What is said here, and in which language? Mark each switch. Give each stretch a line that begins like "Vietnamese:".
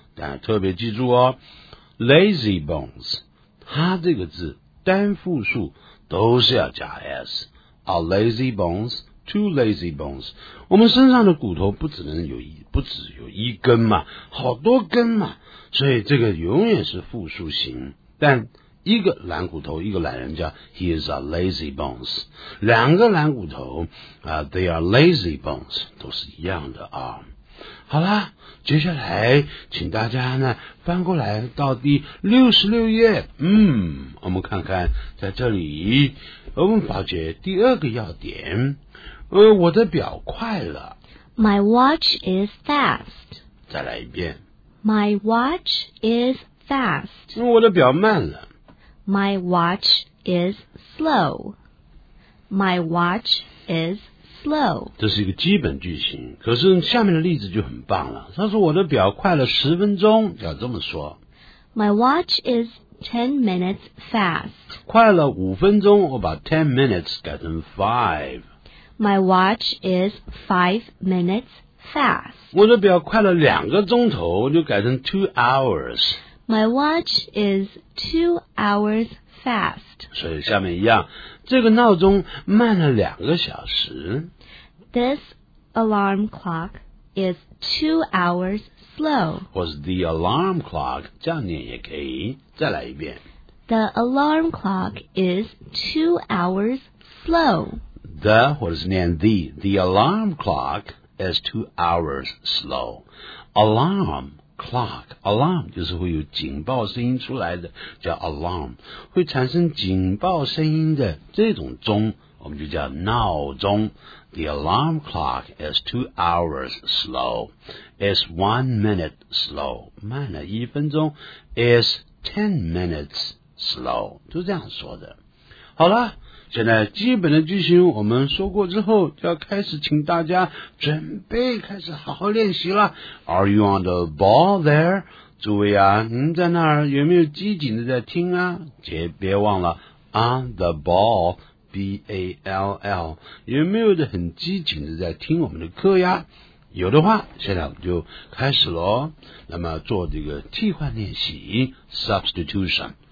Chinese: 但特别记住哦， lazy bones, 他这个字单复数都是要加 S,
English: a lazy bones,Two lazy bones.
Chinese: 我们身上的骨头不只有一根嘛，好多根嘛，所以这个永远是复数型。但一个懒骨头，一个懒人叫
English: He is a lazy bones.
Chinese: 两个懒骨头
English: They are lazy bones.
Chinese: 都是一样的啊。好啦，接下来请大家呢翻过来到第66页。我们看看在这里我们发觉第二个要点。我的表快了。
English: My watch is fast.
Chinese: 再来一遍。
English: My watch is fast.
Chinese: 我的表慢了。
English: My watch is slow. My watch is slow.
Chinese: 这是一个基本句型，可是下面的例子就很棒了。他说我的表快了10分钟，要这么说。
English: My watch is 10 minutes fast.
Chinese: 快了五分钟，我把 10 minutes 改成 five。
English: My watch is 5 minutes fast.
Chinese: 我的表快了两个钟头，我就改成 2 hours.
English: My watch is 2 hours fast.
Chinese: 所以下面一样，这个闹钟慢了两个小时。
English: This alarm clock is 2 hours slow.
Chinese: 或是 the alarm clock, 这样念也可以。再来一遍。
English: The alarm clock is 2 hours slow. The, what is named the? The alarm clock is 2 hours slow. Alarm clock.
Chinese: Alarm 就是会有警报声音出来的叫 alarm. 会产生警报声音的这种钟我们就叫闹钟。
English: The alarm clock is 2 hours slow. It's 1 minute slow.
Chinese: 慢了一分钟。
English: It's 10 minutes slow.
Chinese: 就这样说的。好了。现在基本的句型我们说过之后就要开始请大家准备开始好好练习了。
English: Are you on the ball there?
Chinese: 诸位啊您在那儿有没有机警的在听啊别忘了 on the ball, B-A-L-L, 有没有的很机警的在听我们的课呀有的话现在我们就开始咯。那么做这个替换练习 ,substitution。